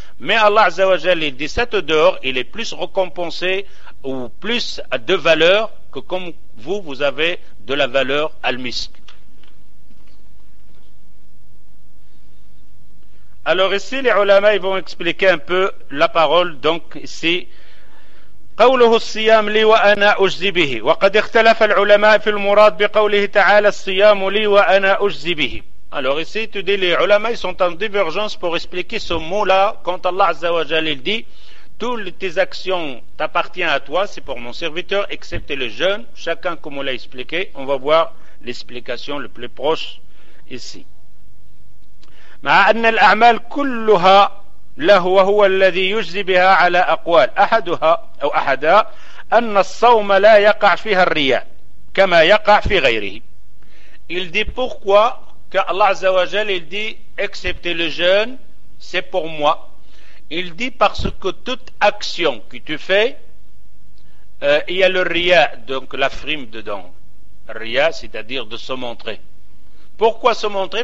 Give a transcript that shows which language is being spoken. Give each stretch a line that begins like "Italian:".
French: Mais Allah Azza wa Jal, il dit cette odeur, il est plus récompensé ou plus de valeur que comme vous, vous avez de la valeur al-misk. Alors ici, les ulama ils vont expliquer un peu la parole. Donc ici,
Arabic: قوله الصيام لي وأنا أجزي به. وقد اختلف العلماء في المراد بقوله تعالى الصيام لي وأنا أجزي به.
French: Alors ici, tu dis les ulama ils sont en divergence pour expliquer ce mot-là quand Allah Azza wa Jalla il dit toutes tes actions t'appartiennent à toi, c'est pour mon serviteur, excepté le jeûne. Chacun comme on l'a expliqué, on va voir l'explication le plus proche ici.
Arabic: مع أن الأعمال كلها له وهو الذي يجزي بها على أقوال أحدها أو أحدا أن الصوم لا يقع فيها الرياء كما يقع في غيره.
French: Il dit pourquoi que Allah عز وجل il dit excepté le jeûne c'est pour moi. Il dit parce que toute action que tu fais il y a le رياء donc la frime dedans. رياء c'est-à-dire de se montrer. Pourquoi se montrer?